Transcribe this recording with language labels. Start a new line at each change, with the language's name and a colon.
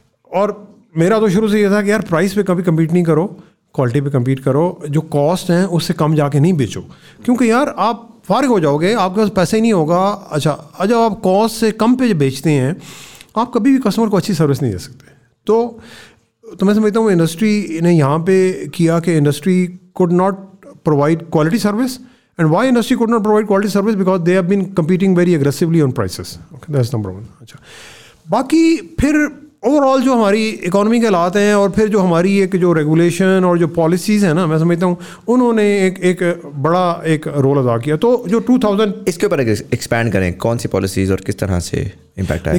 Hindi: और मेरा तो शुरू से ये था कि यार प्राइस पे कभी कंपीट नहीं करो, क्वालिटी पे कंपीट करो, जो कॉस्ट है उससे कम जाके नहीं बेचो, क्योंकि यार आप फारिग हो जाओगे, आपके पास पैसे ही नहीं होगा. अच्छा जब आप कॉस्ट से कम पे बेचते हैं आप कभी भी कस्टमर को अच्छी सर्विस नहीं दे सकते. तो मैं समझता हूँ इंडस्ट्री ने यहाँ पे किया कि industry
English: could not provide quality service, and why industry could not provide quality service because they have been competing very aggressively on prices. Okay, that's number one.
Hindi: अच्छा बाकी फिर ओवरऑल जो हमारी इकोनॉमी के हालात हैं और फिर जो हमारी एक जो रेगुलेशन और जो पॉलिसीज़ हैं ना, मैं समझता हूँ उन्होंने एक बड़ा एक रोल अदा किया. तो जो 2000 इसके ऊपर एक्सपैंड करें कौन सी पॉलिसीज़ और किस तरह से इम्पैक्ट आया.